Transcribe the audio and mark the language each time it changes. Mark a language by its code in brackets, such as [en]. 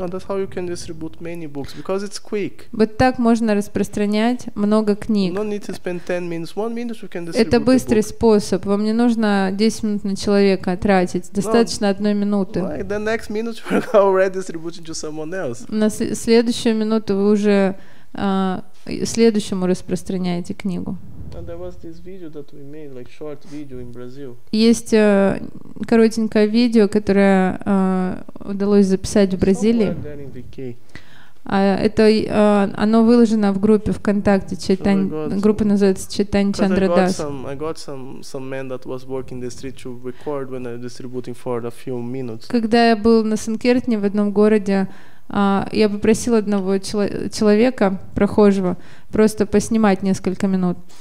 [en] Well, that's how you can distribute many books, because it's quick. [ru] Вот так можно распространять много книг. [en] You don't need to spend 10 minutes. 1 minute you can distribute. [ru] Это быстрый способ. Вам не нужно 10 минут на человека тратить. Достаточно одной минуты. [en] Like the next minute you're already distributing to someone else. [ru] На следующую минуту вы уже следующему распространяете книгу. [en] And there was this video that we made, like short video in Brazil. [ru] Есть коротенькое видео, которое удалось записать в Бразилии. Это оно выложено в группе ВКонтакте. Группа называется Chaitanya Chandra Das. [en] I got some man that was working the street to record when I was distributing for a few minutes. [ru] Когда я был на Санкертне в одном городе, я попросил одного человека, прохожего, просто поснимать несколько минут.